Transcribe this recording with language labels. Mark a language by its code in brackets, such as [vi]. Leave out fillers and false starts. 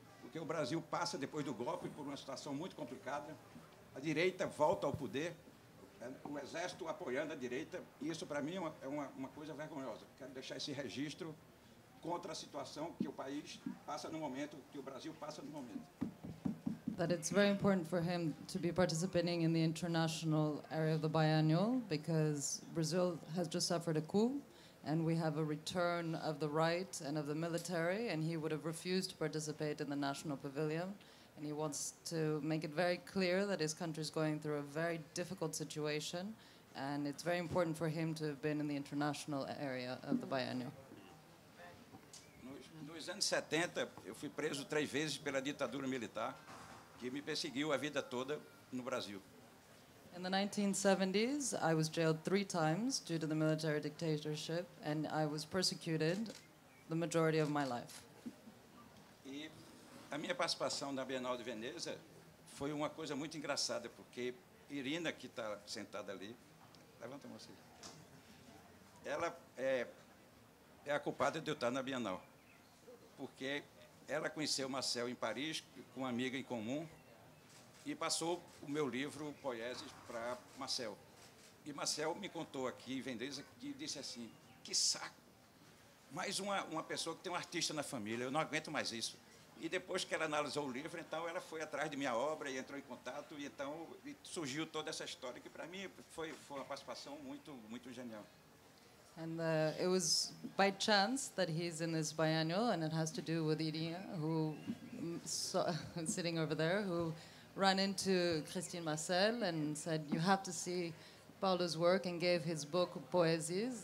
[pt] Porque o Brasil passa, depois do golpe, por uma situação muito complicada. A direita volta ao poder, o exército apoiando a direita, e isso, para mim, é uma coisa vergonhosa. Quero deixar esse registro contra a situação que o país passa no momento, que o Brasil passa no momento. [en] That it's very important for him to be participating in the international area of the biennial, because Brazil has just suffered a coup, and we have a return of the right and of the military, and he would have refused to participate in the national pavilion. And he wants to make it very clear that his country is going through a very difficult situation, and it's very important for him to have been in the international area of the biennial. [pt] Nos anos 70, eu fui preso 3 vezes pela ditadura militar, que me perseguiu a vida toda no Brasil. [en] In the 1970s, I was jailed 3 times due to the military dictatorship, and I was persecuted the majority of my life. [pt] E a minha participação na Biennale de Veneza foi uma coisa muito engraçada, porque Irina, que está sentada ali, levanta a mão assim, ela é a culpada de eu estar na Biennale, porque ela conheceu Marcel em Paris, com uma amiga em comum, e passou o meu livro Poieses para Marcel. E Marcel me contou aqui em Veneza que disse assim: que saco, mais uma pessoa que tem um artista na família, eu não aguento mais isso. E depois que ela analisou o livro, então ela foi atrás de minha obra e entrou em contato, e então surgiu toda essa história, que para mim foi uma participação muito, muito genial. [en] And it was by chance that he's in this biennial, and it has to do with Irina, who sitting over there, who ran into Christine Marcel and said, you have to see Paulo's work, and gave his book Poesies.